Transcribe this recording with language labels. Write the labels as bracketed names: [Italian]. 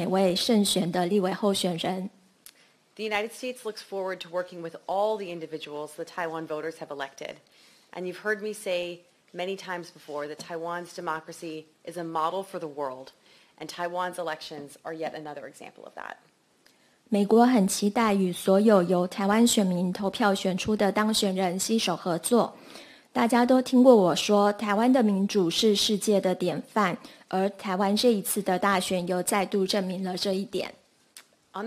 [Chinese] 当然，我也要恭喜总统当选人赖清德和副总统当选人萧美琴在选战中胜出。同时，我也要为其他候选人在选战中的努力喝彩。另外，我也要恭喜每位胜选的立委候选人。The [English] United States looks forward to working with all the individuals the Taiwan voters have elected. And you've heard me say many times before that Taiwan's democracy is a model for the world, and Taiwan's elections are yet another example of that. [Chinese] 美国很期待与所有由台湾选民投票选出的当选人携手合作。大家都听过我说，台湾的民主是世界的典范，而台湾这一次的大选又再度证明了这一点。On